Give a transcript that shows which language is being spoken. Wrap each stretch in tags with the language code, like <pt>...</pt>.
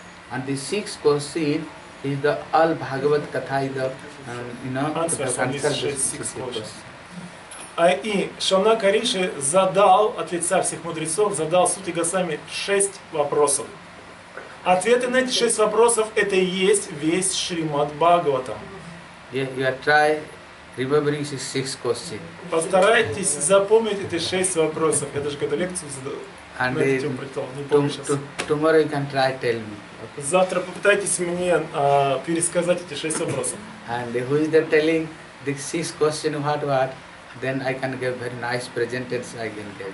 <en>And the six questions, is the all Bhagavad Katha is the,</en> <ru>И Шаунака Риши задал от лица всех мудрецов, задал Сути Госвами шесть вопросов. Ответы на эти шесть вопросов – это и есть весь Шримад Бхагаватам. Постарайтесь запомнить эти шесть вопросов. Я даже когда лекцию задал,</ru> <en>Tomorrow you can try tell me.</en> <ru>Завтра попытайтесь мне пересказать эти шесть вопросов.</ru> <en>And who is there telling the six question what? Then I can give very nice presentation I can give.</en>